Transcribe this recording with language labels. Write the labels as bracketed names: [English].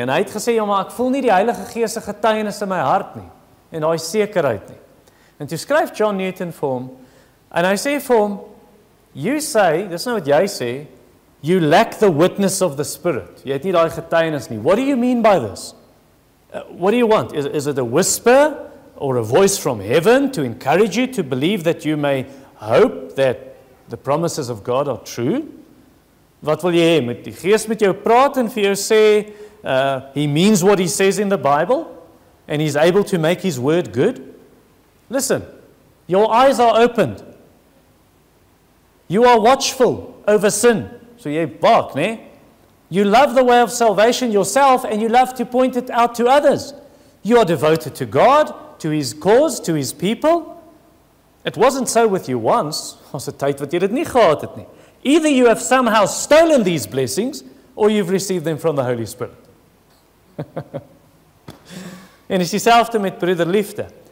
[Afrikaans] En hy het gesê, maar ek voel nie die Heilige Gees se getuienis in my hart nie, en daai sekerheid nie. En toe skryf John Newton vir hom, en hy sê vir hom, [English] you say, [Afrikaans] dis nou wat jy sê, [English] you lack the witness of the Spirit. [Afrikaans] Jy het nie daai getuienis nie. [English] What do you mean by this? What do you want? Is it a whisper or a voice from heaven to encourage you to believe that you may hope that the promises of God are true? [Afrikaans] Wat wil jy, moet die geest met jou praat en vir jou sê, [English] he means what he says in the Bible, and he's able to make his word good? Listen, your eyes are opened. You are watchful over sin. [Afrikaans] So jy bak, nee? [English] You love the way of salvation yourself, and you love to point it out to others. You are devoted to God, to his cause, to his people. It wasn't so with you once. [Afrikaans] Was 'n tyd wat jy dit nie gehad het nie. [English] Either you have somehow stolen these blessings, or you've received them from the Holy Spirit. [Afrikaans] En is dieselfde met broederliefde.